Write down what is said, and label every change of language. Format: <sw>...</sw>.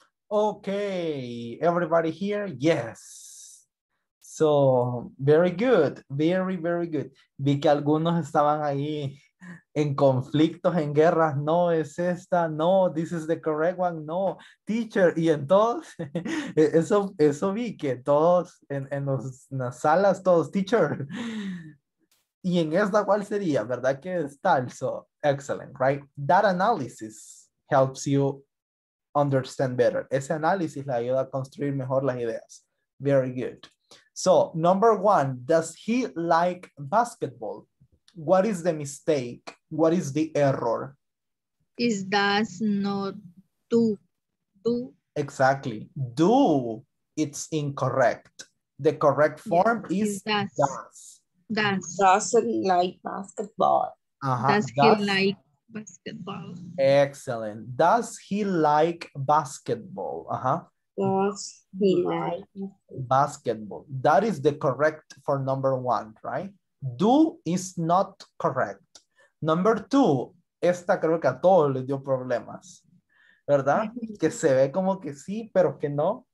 <en>Okay, everybody here? Yes. So, very good, very, very good.</en> <es>Vi que algunos estaban ahí en conflictos, en guerras. No, es esta, no,</es> <en>this is the correct one, no, teacher.</en> <es>Y entonces, eso vi que todos en las salas, todos, teacher. Y en esta, ¿cuál sería? ¿Verdad que es tal?</es> <en>So, excellent, right? That analysis helps you understand better.</en> <es>Ese análisis le ayuda a construir mejor las ideas.</es> <en>Very good. So, number one, does he like basketball? What is the mistake? What is the error? Is does not do. Exactly. Do, it's incorrect. The correct form is does. Doesn't like basketball. Uh-huh. Does he like basketball? Excellent. Does he like basketball? Uh-huh. Does he like basketball? That is the correct for number one, right? Do is not correct. Number two,</en> <es>esta creo que a todos les dio problemas, ¿verdad? Que se ve como que sí, pero que no.</es>